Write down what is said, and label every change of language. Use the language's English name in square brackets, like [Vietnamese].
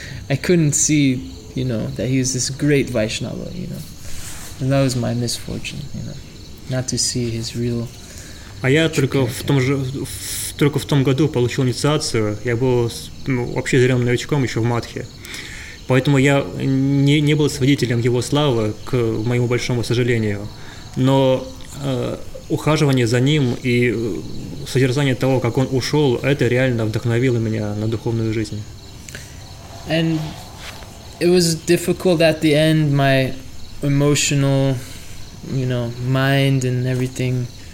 [English] I couldn't see, you know, that he was this great Vaishnava, you know. And that was my misfortune, you know, not to see his real... [Russian] А я только в том году получил инициацию. Я был вообще зрелым новичком еще в Матхе. Поэтому я не был свидетелем его славы, к моему большому сожалению. Но ухаживание за ним и созерцание того, как он ушел, это реально вдохновило меня на духовную жизнь. [English] And it was difficult at the end, my emotional, you know, mind and everything.